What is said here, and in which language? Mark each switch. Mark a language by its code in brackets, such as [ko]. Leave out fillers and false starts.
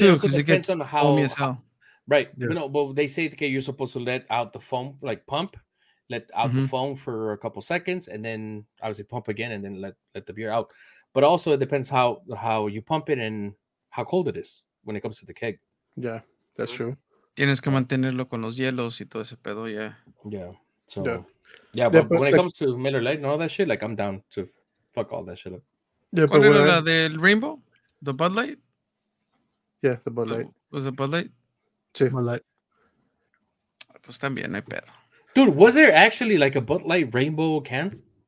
[en] That too, because it gets foamy as hell. Right. Yeah. But they say that you're supposed to let out the foam, like pump, let out the foam for a couple seconds, and then obviously pump again, and then let the beer out. But also it depends how you pump it and how cold it is when it comes to the keg. Yeah, that's true. [es] Tienes que mantenerlo con los hielos y todo ese pedo, [en] yeah. Yeah. But when it comes to Miller Lite and all that shit, like, I'm down to fuck all that shit up. Yeah, but [es] ¿cuál era la del Rainbow? [en] ¿The Bud Light? Yeah, the Bud Light. Was it Bud Light? [es] Sí. [en] Bud Light. [es] Pues también hay pedo. [en] Dude, was there actually like a Bud Light Rainbow can?